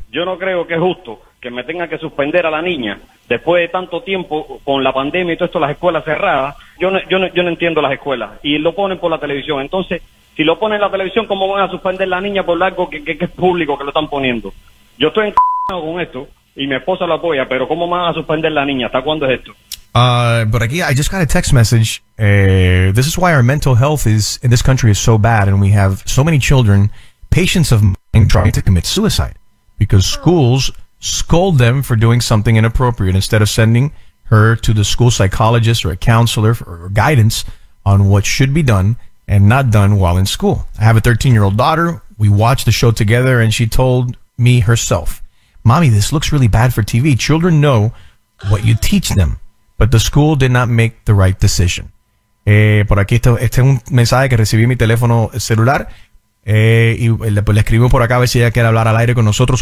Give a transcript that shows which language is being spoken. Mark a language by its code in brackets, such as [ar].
[es] Yo no creo que es justo que me tenga que suspender a la niña después de tanto tiempo con la pandemia y todo esto, las escuelas cerradas. Yo no entiendo las escuelas, y lo ponen por la televisión. Entonces, si lo ponen en la televisión, ¿cómo van a suspender a la niña por algo que es público, que lo están poniendo? Yo estoy encantado con esto y mi esposa lo apoya, pero ¿cómo van a suspender a la niña? ¿Hasta cuándo es esto? [en] But aquí, I just got a text message. This is why our mental health is in this country is so bad, and we have so many children, patients of mine, trying to commit suicide. Because schools scold them for doing something inappropriate instead of sending her to the school psychologist or a counselor for guidance on what should be done and not done while in school. I have a 13-year-old daughter. We watched the show together, and she told me herself, Mommy, this looks really bad for TV. Children know what you teach them, but the school did not make the right decision. [es] Por aquí, este es un mensaje que recibí en mi teléfono celular. Y le escribimos por acá a ver si ella quiere hablar al aire con nosotros.